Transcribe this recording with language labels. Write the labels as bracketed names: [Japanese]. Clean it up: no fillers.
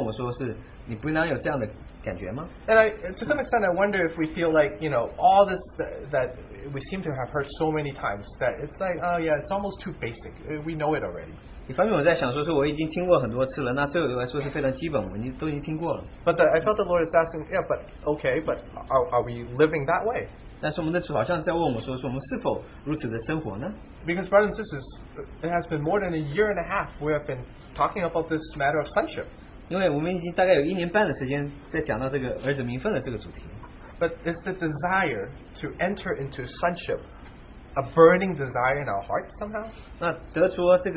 [Chinese] 但是神就问我说是，你不应当有这样的感觉吗？ [English] And I, to some extent, I wonder if we feel like, you know, all this that we seem to have heard so many times that it's like, oh yeah, it's almost too basic. We know it already. [Chinese] 一方面我在想说是我已经听过很多次了，那这个对我来说是非常基本，我们都已经听过了。 [English] But I felt the Lord is asking, yeah, but okay, but are we living that way? [Chinese] 但是我们的主好像在问我们说，我们是否如此的生活呢？ [English] Because brothers and sisters, it has been more than a year and a half we have been talking about this matter of sonship. [Chinese] 因为我们已经大概有一年半的时间在讲到这个儿子名分的这个主题。 [English] But it's the desire to enter into sonship, a burning desire in our hearts somehow?